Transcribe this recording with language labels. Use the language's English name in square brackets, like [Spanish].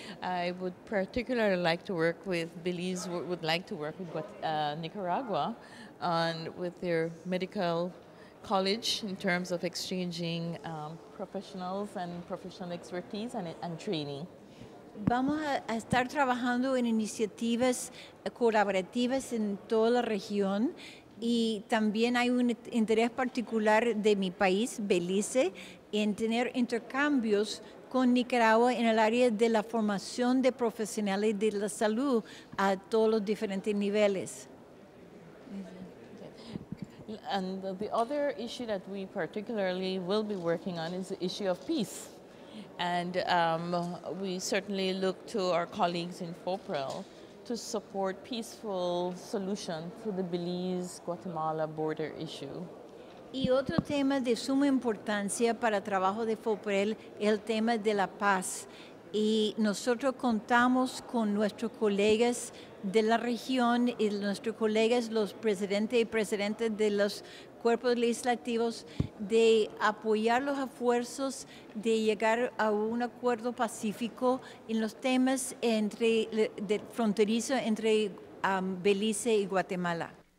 [English] I would particularly like to work with Belize, would like to work with Nicaragua and with their medical college in terms of exchanging professionals and professional expertise and training. [Spanish] Vamos a estar trabajando en iniciativas colaborativas en toda la región. Y también hay un interés particular de mi país, Belice, en tener intercambios con Nicaragua en el área de la formación de profesionales de la salud a todos los diferentes niveles. [English] And the other issue that we particularly will be working on is the issue of peace. And we certainly look to our colleagues in FOPREL to support peaceful solution to the Belize-Guatemala border issue. [Spanish] Y otro tema de suma importancia para el trabajo de FOPREL es el tema de la paz. Y nosotros contamos con nuestros colegas de la región y nuestros colegas, los presidentes y presidentes de los cuerpos legislativos, de apoyar los esfuerzos de llegar a un acuerdo pacífico en los temas fronterizos entre Belice y Guatemala.